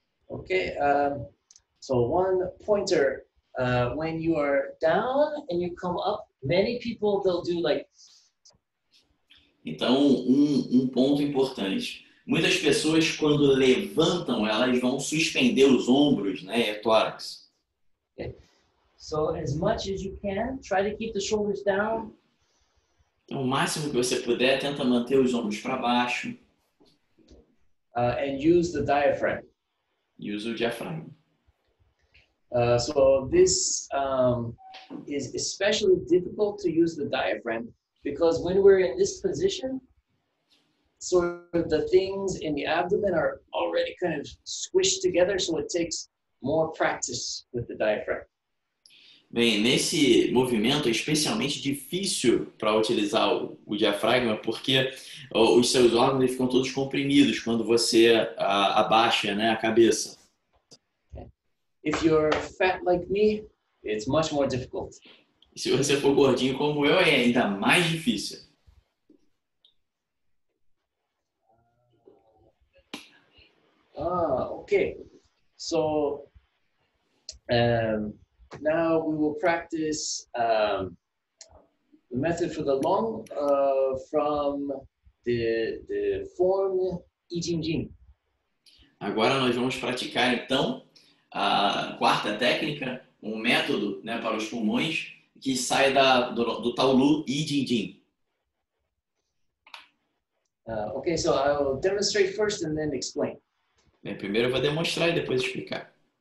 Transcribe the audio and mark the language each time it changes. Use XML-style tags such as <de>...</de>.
<en>Okay, so one pointer, when you are down and you come up, many people, they'll do like...</en> <pt>Então, um ponto importante. Muitas pessoas, quando levantam, elas vão suspender os ombros, né, e tórax.</pt> <en>Okay. So, as much as you can, try to keep the shoulders down. Então, o máximo que você puder, tenta manter os ombros para baixo. And use the diaphragm.</en> <pt>Use o diaphragm.</pt> <en>So this is especially difficult to use the diaphragm because when we're in this position, sort of the things in the abdomen are already kind of squished together, so it takes more practice with the diaphragm.</en> <pt>Bem, nesse movimento é especialmente difícil para utilizar o diafragma, porque os seus órgãos ficam todos comprimidos quando você abaixa, né, a cabeça.</pt> <en>If you're fat like me, it's much more difficult.</en> <pt>Se você for gordinho como eu, é ainda mais difícil.</pt> <en>Okay. So, now we will practice the method for the lung from the form I Ching Jing.</en> <pt>Agora nós vamos praticar então a quarta técnica, um método, né, para os pulmões que sai do Taolu I Ching Jing.</pt> <en>Okay, so I'll demonstrate first and then explain.</en> <pt>Bem, primeiro eu vou demonstrar e depois explicar.</pt>